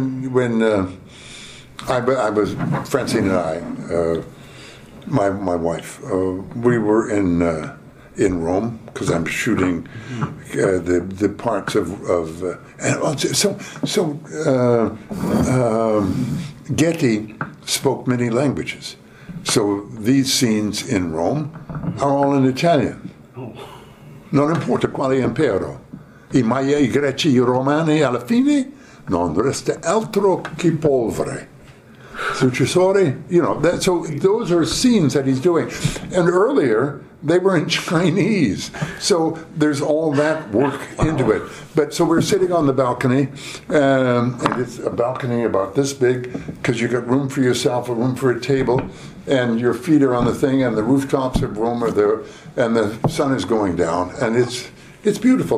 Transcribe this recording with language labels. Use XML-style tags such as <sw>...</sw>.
<en>When I was, Francine and I, my wife, we were in Rome because I'm shooting the parts of Getty spoke many languages. So these scenes in Rome are all in Italian.</en> <it>Non importa quale impero, i miei greci romani alla fine non resta altro che polvere.</it> <en>Successore, you know, that, so those are scenes that he's doing. And earlier, they were in Chinese. So there's all that work into it. But so we're sitting on the balcony, and it's a balcony about this big, because you got room for yourself, a room for a table, and your feet are on the thing, and the rooftops of Rome are there, and the sun is going down, and it's beautiful.</en>